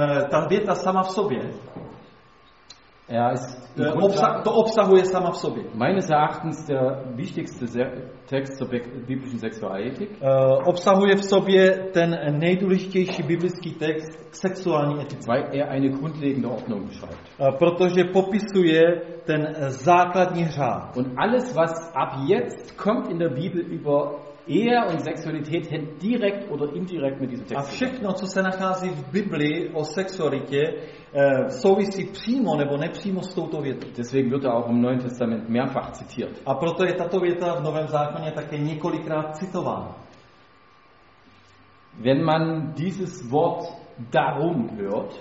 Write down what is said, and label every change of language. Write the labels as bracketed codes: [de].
[cs] Ta věta sama v sobě. [de] Ja, ist [cs] to obsahuje sama v sobě. [de] Meines Erachtens der wichtigste Text zur biblischen Sexualethik. [cs] Obsahuje v sobě ten nejdůležitější biblický text k sexuální etice. [de] Weil eine grundlegende Ordnung beschreibt. [cs] Protože popisuje ten základní řád. [de] Und alles was ab jetzt kommt in der Bibel über Ehe und Sexualität hängt direkt oder indirekt mit diesem Text. [cs] A všechno, co se nachází v Bibli o sexualitě, souvisí přímo nebo nepřímo s touto větou. [de] Deswegen wird auch im Neuen Testament mehrfach zitiert. [cs] A proto je tato věta v Novém zákoně také několikrát citována. [de] Wenn man dieses Wort darum hört,